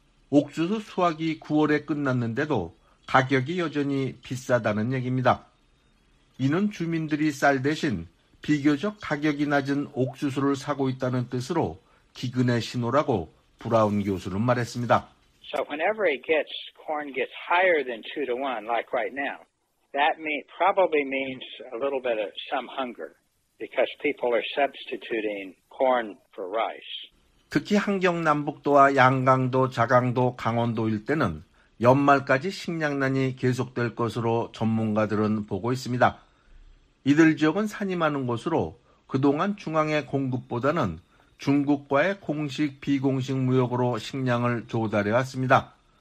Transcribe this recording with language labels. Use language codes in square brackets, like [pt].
[ko] 옥수수 수확이 9월에 끝났는데도 가격이 여전히 비싸다는 얘기입니다. 이는 주민들이 쌀 대신 비교적 가격이 낮은 옥수수를 사고 있다는 뜻으로 기근의 신호라고 브라운 교수는 말했습니다. [en] So whenever it gets corn gets higher than 2-1 like right now, that probably means a little bit of some hunger because people are substituting corn for rice. [ko] 특히 함경남북도와 양강도, 자강도, 강원도 일대는 연말까지 식량난이 계속될 것으로 전문가들은 보고 있습니다. 이들 지역은 산림하는 곳으로 그동안 중앙의 공급보다는 중국과의 공식 비공식 무역으로 식량을 조달해 왔습니다.